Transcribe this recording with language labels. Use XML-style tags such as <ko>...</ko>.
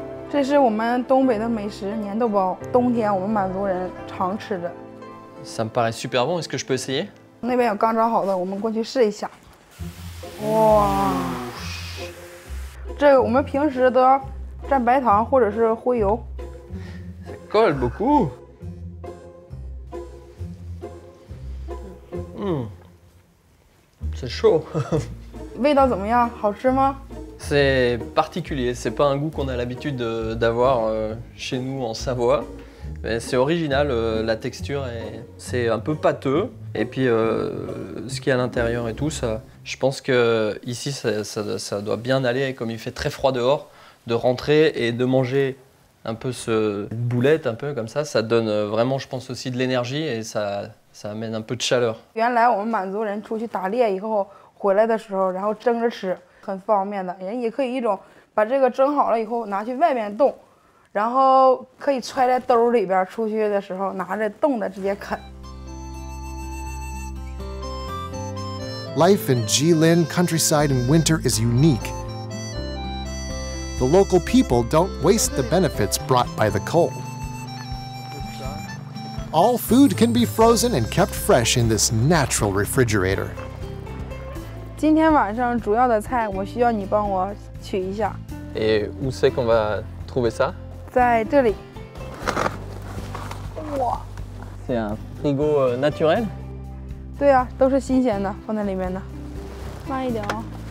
<zh>这是我们东北的美食，粘豆包，冬天我们满族人常吃的.</zh> <fr>Ça me paraît super bon, est-ce que je peux essayer?</fr> <zh>那边有刚装好的，我们过去试一下。哇，这个我们平时都要蘸白糖或者是灰油。</zh> <fr>Ça colle beaucoup. C'est chaud.</fr> <zh>味道怎么样？好吃吗？</zh> <fr>C'est particulier, c'est pas un goût qu'on a l'habitude d'avoir chez nous en Savoie. C'est original, la texture, c'est un peu pâteux. Et puis, ce qu'il y a à l'intérieur et tout, ça, je pense que ici, ça doit bien aller, comme il fait très froid dehors, de rentrer et de manger un peu cette boulette, un peu comme ça, ça donne vraiment, je pense, aussi de l'énergie et ça amène un peu de chaleur.</fr> <zh>原来我们满族人出去打猎以后，回来的时候，然后蒸着吃，很方便的。人也可以一种把这个蒸好了以后拿去外面冻。然后可以揣在兜里边，出去的时候拿着冻的直接啃。</zh> <en>Life in Jilin countryside in winter is unique. The local people don't waste the benefits brought by the cold. All food can be frozen and kept fresh in this natural refrigerator.</en> <zh>今天晚上主要的菜我需要你帮我取一下。</zh> <fr>Et où c'est qu'on va trouver ça?</fr> <zh>在这里。</zh> <fr>哇!C'est un frigo naturel?</fr> <zh>对啊,都是新鲜的,放在里面的。慢一点哦。</zh>